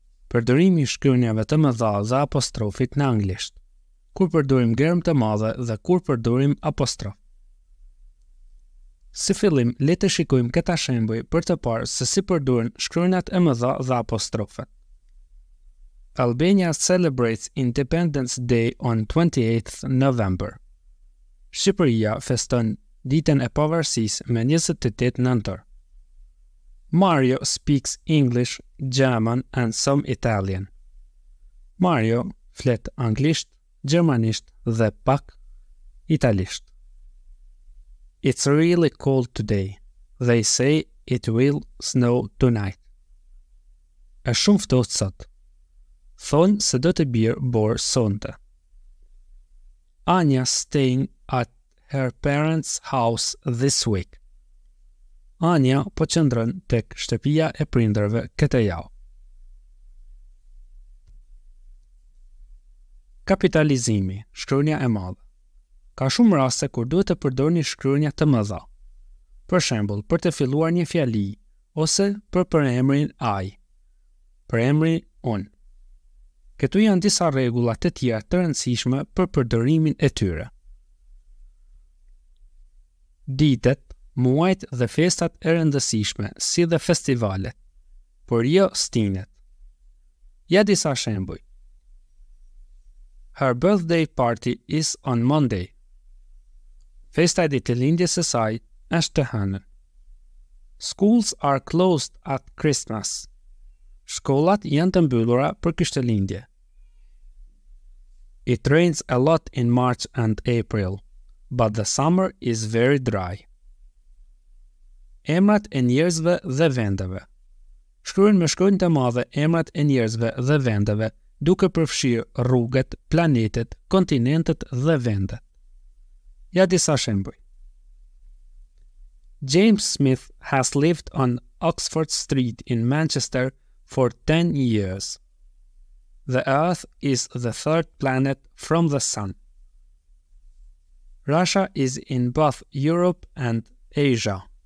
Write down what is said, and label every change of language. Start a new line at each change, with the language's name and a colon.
Albanian: Përdorimi i shkronjave vetëm dha dhe apostrofit në anglisht. Kur përdorim gërm të madhe dhe kur përdorim apostrof. Si fillim, le të shikojmë këta shembuj për të parë se si përdorin shkronjat e mëdha dhe apostrofet.
English: Albania celebrates Independence Day on 28th November.
Albanian: Shqipëria feston ditën e pavarësisë me 28 nëntor.
English: Mario speaks English, German and some Italian.
Albanian: Mario flet anglisht, gjermanisht dhe pak italisht.
English: It's really cold today. They say it will snow tonight.
Albanian: Është shumë ftohtë sot. Thonë se do të bjerë borë sonte.
English: Anya staying at her parents' house this week.
Albanian: Anya po qëndron tek shtëpia e prindërve këtë javë. Kapitalizimi, shkronja e madhe. Ka shumë raste kur duhet të përdorni shkronja të mëdha. Për shembull, për të filluar një fjali ose për përemrin I. Përemri un. Këtu janë disa rregulla të tjera të rëndësishme për përdorimin e tyre. Ditët, muajt dhe festat e rëndësishme, si dhe festivalet, por jo stinet. Ja disa shembuj.
English: Her birthday party is on Monday.
Albanian: Festa e ditëlindjes së saj është të hënën.
English: Schools are closed at Christmas.
Albanian: Shkollat janë të mbyllura për krishtlindje.
English: It rains a lot in March and April, but the summer is very dry.
Albanian: Emrat e njerëzve dhe vendeve. Shkruajnë me shkronjë të madhe emrat e njerëzve dhe vendeve, duke përfshirë rrugët, planetet, kontinentet dhe vendet. Ja disa shembuj.
English: James Smith has lived on Oxford Street in Manchester for 10 years. The Earth is the third planet from the Sun. Russia is in both Europe and Asia.